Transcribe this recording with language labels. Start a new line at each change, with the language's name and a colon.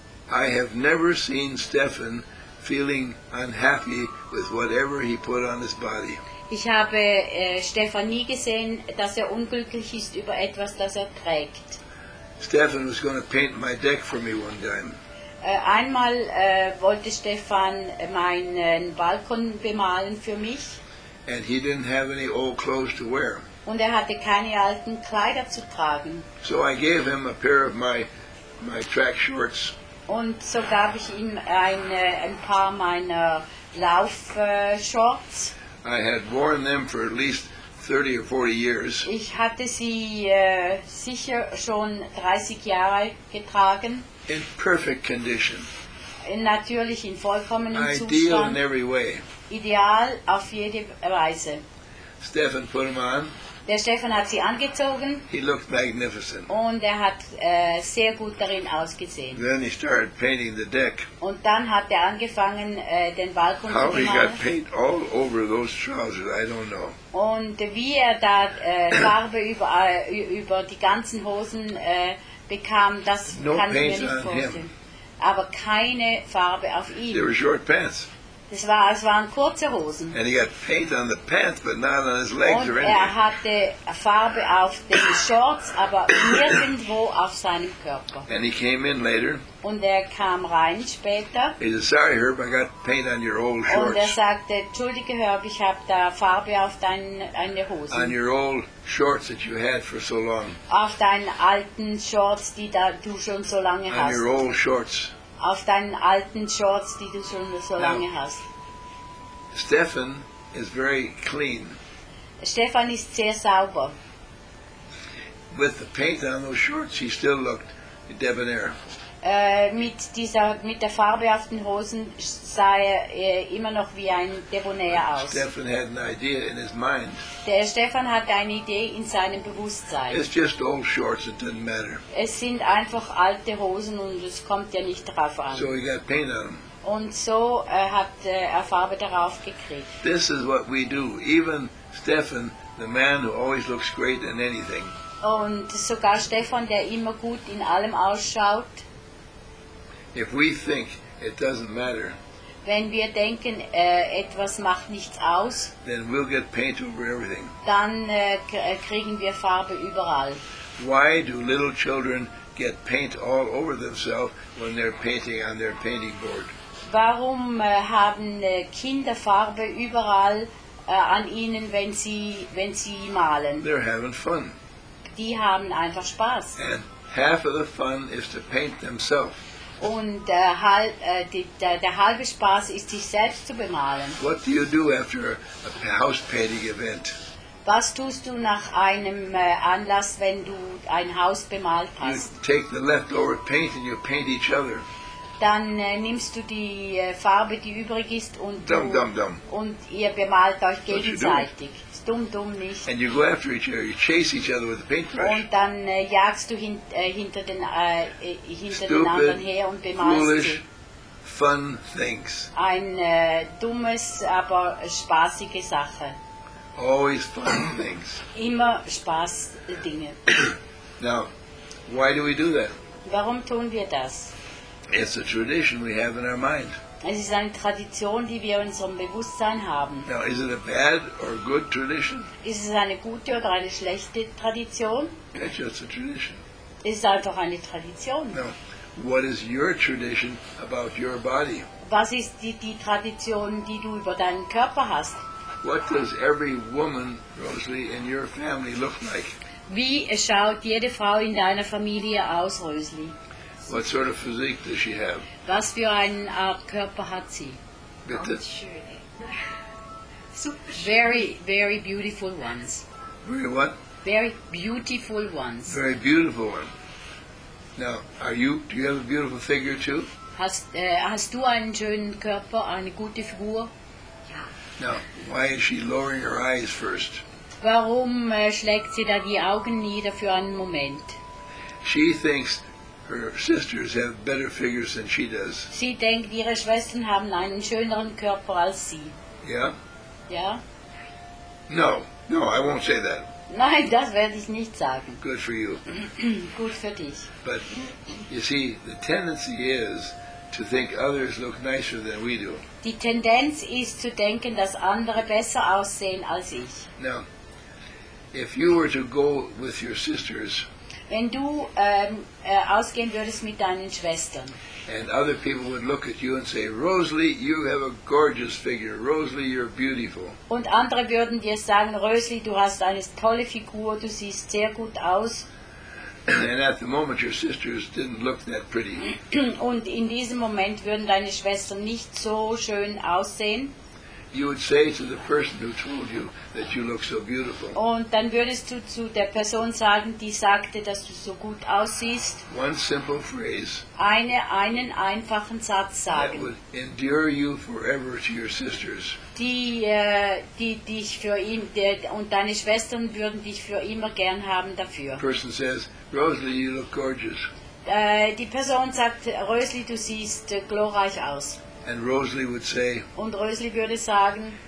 English: I have never seen Stefan feeling unhappy with whatever he put on his body.
German: Ich habe Stefan nie gesehen, dass er unglücklich ist über etwas, das er trägt.
English: Stefan was going to paint my deck for me one time.
German: Einmal wollte Stefan meinen Balkon bemalen für mich.
English: And he didn't have any old clothes to wear.
German: Und er hatte keine alten Kleider zu tragen.
English: So I gave him a pair of my track shorts.
German: Und so gab ich ihm ein paar meiner Laufshorts.
English: I had worn them for at least 30 or 40 years.
German: Ich hatte sie sicher schon 30 Jahre getragen.
English: In perfect condition.
German: Natürlich in vollkommenem Ideal Zustand.
English: Ideal in every way.
German: Ideal auf jede Weise.
English: Stefan put them on.
German: Der Stefan hat sie angezogen.
English: He looked magnificent.
German: Und er hat sehr gut darin ausgesehen.
English: Then he started painting the deck.
German: Und dann hat er angefangen, den Balkon zu
English: malen. How he got paint all over those trousers, I don't know.
German: Und wie er da Farbe über die ganzen Hosen bekam, das
English: no
German: kann ich mir nicht vorstellen.
English: Him.
German: Aber keine Farbe auf ihm.
English: They were short pants.
German: Es waren kurze Hosen.
English: And he got paint on the pants, but not on his legs
German: und
English: or anything.
German: Er hatte Farbe auf den Shorts, aber nirgendwo auf seinem Körper.
English: And he came in later.
German: Und er kam rein später.
English: He said, "Sorry, Herb, I got paint on your old shorts."
German: Und er sagte, "Entschuldige, Herb, ich habe da Farbe auf deine Hosen."
English: On your old shorts that you had for so long.
German: Auf deinen alten Shorts, die da, du schon so lange
English: on
German: hast.
English: On your old shorts.
German: Auf deinen alten Shorts, die du schon so lange hast.
English: Stefan is very clean.
German: Stefan ist sehr sauber.
English: With the paint on those shorts, he still looked debonair.
German: Mit der Farbe auf den Hosen sah er immer noch wie ein Debonair aus.
English: Stefan had an idea in his mind.
German: Der Stefan hat eine Idee in seinem Bewusstsein.
English: It's just old shorts, it doesn't matter.
German: Es sind einfach alte Hosen und es kommt ja nicht darauf an.
English: So he got paint on them.
German: Und so hat er Farbe darauf gekriegt.
English: This is what we do. Even Stefan, the man who always looks great in anything.
German: Und sogar Stefan, der immer gut in allem ausschaut.
English: If we think it doesn't matter,
German: wenn wir denken, etwas macht nichts aus,
English: then we'll get paint over everything.
German: Dann kriegen wir Farbe überall.
English: Why do little children get paint all over themselves when they're painting on their painting board?
German: Warum haben Kinder Farbe überall an ihnen, wenn sie malen?
English: They're having fun.
German: Die haben einfach Spaß.
English: And half of the fun is to paint themselves.
German: Und der halbe Spaß ist, sich selbst zu bemalen.
English: What do you do after a house painting event?
German: Was tust du nach einem Anlass, wenn du ein Haus bemalt hast?
English: You take the leftover paint and you paint each other.
German: Dann nimmst du die Farbe, die übrig ist, und
English: dumb, dumb, dumb.
German: Und ihr bemalt euch gegenseitig. Ist dumm, dumm nicht.
English: And you go after each other, you chase each other with a paintbrush.
German: Und dann jagst du hinter
English: stupid,
German: den anderen her und bemalst
English: foolish,
German: sie.
English: Fun things.
German: Ein dummes, aber spaßige Sache.
English: Always fun things.
German: Immer Spaßdinge.
English: Now, why do we do that?
German: Warum tun wir das?
English: It's a tradition we have in our mind.
German: Es ist eine Tradition, die wir in unserem Bewusstsein haben.
English: Now, is it a bad or a good tradition?
German: Ist es eine gute oder eine schlechte Tradition?
English: It's just a tradition.
German: Es ist einfach eine Tradition.
English: Now, what is your tradition about your body?
German: Was ist die Tradition, die du über deinen Körper hast?
English: What does every woman, Rosalie, in your family look like?
German: Wie schaut jede Frau in deiner Familie aus, Rosalie?
English: What sort of physique does she have?
German: Was für eine Art Körper hat sie? Bitte?
English: Very, very beautiful ones. Very what? Very beautiful ones. Very beautiful one. Now, do you have a beautiful figure too?
German: Hast du einen schönen Körper, eine gute Figur?
English: Now, why is she lowering her eyes first?
German: Warum schlägt sie da die Augen nieder für einen Moment?
English: She thinks her sisters have better figures than she does.
German: Sie denkt, ihre Schwestern haben einen schöneren Körper als sie.
English: Yeah? Yeah? No, I won't say that.
German: Nein, das werde ich nicht sagen.
English: Good for you.
German: Gut für dich.
English: But, you see, the tendency is to think others look nicer than we do.
German: Die Tendenz ist zu denken, dass andere besser aussehen als ich.
English: Now, if you were to go with your sisters,
German: wenn du ausgehen würdest mit deinen Schwestern.
English: And other people would look at you and say, Rosalie, you have a gorgeous figure. Rosalie, you're beautiful.
German: Und andere würden dir sagen, Rosalie, du hast eine tolle Figur, du siehst sehr gut aus.
English: And at the moment your sisters didn't look that pretty.
German: Und in diesem Moment würden deine Schwestern nicht so schön aussehen.
English: you would say to the person who told you that you look so beautiful.
German: Und dann würdest du zu der Person sagen, die sagte, dass du so gut aussiehst.
English: One simple phrase.
German: Einen einfachen Satz sagen.
English: That would endure you forever to your sisters.
German: Die dich für ihn, der, und deine Schwestern würden dich für immer gern haben dafür.
English: The person says, Rosalie, you look gorgeous.
German: Die Person sagt, Rosalie, du siehst glorreich aus.
English: And Rosalie would say,
German: und Rosalie würde sagen,